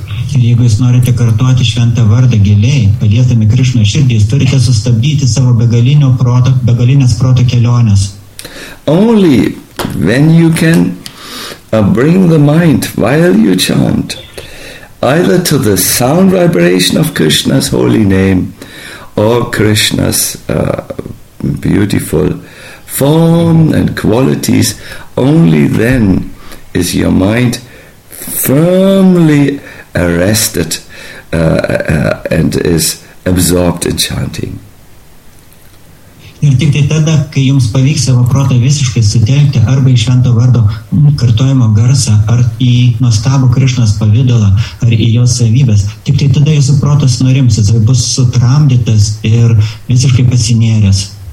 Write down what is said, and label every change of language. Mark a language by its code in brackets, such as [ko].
[lt] Ir jeigu jūs norite kartuoti šventą vardą giliai, paliesdami Krišną širdį, jūs turite sustabdyti savo begalinės proto kelionės. [en] Only when you can bring the mind while you chant, either to the sound vibration of Krishna's holy name or Krishna's beautiful form and qualities, only then is your mind firmly arrested and is absorbed in chanting. [lt] Ir tik tai tada, kai jums pavyks savo protą visiškai sutelkti arba į švento vardo kartojimo garsą, ar į nuostabų Krišnos pavidalą, ar į jos savybės, tik tai tada jūsų protas norims, jis bus sutramdytas ir visiškai pasinėręs.